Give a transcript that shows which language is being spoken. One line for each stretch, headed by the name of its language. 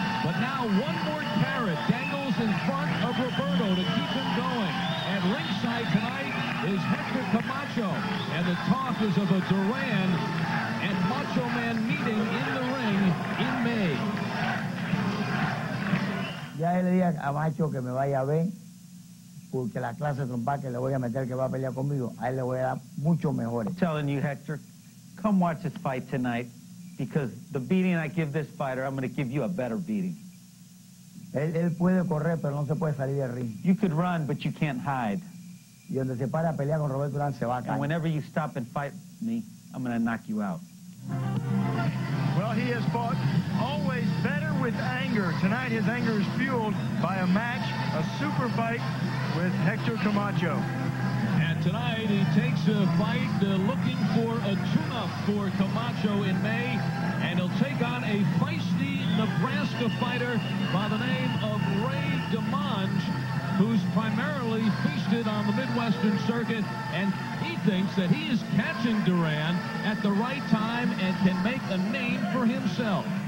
English: But now one more carrot dangles in front of Roberto to keep him going. At ringside tonight is Hector Camacho. And the talk is of a Duran and Macho Man meeting in the ring in May.
Spanish: Ya le dije a Macho que me vaya a ver, porque la clase trompa que le voy a meter que va a pelear conmigo, a él le voy a dar mucho mejor.
English: I'm telling you, Hector, come watch this fight tonight. Because the beating I give this fighter, I'm going to give you a better beating.
Spanish: Él puede correr, pero no se puede salir del ring.
English: You could run, but you can't hide.
Spanish: Y donde se para a pelear con Roberto Durán, se va a caer.
English: And whenever you stop and fight me, I'm going to knock you out. Well, he has fought always better with anger. Tonight, his anger is fueled by a match, a super fight with Hector Camacho. Tonight, he takes a fight looking for a tune-up for Camacho in May, and he'll take on a feisty Nebraska fighter by the name of Ray Domenge, who's primarily feasted on the Midwestern circuit, and he thinks that he is catching Duran at the right time and can make a name for himself.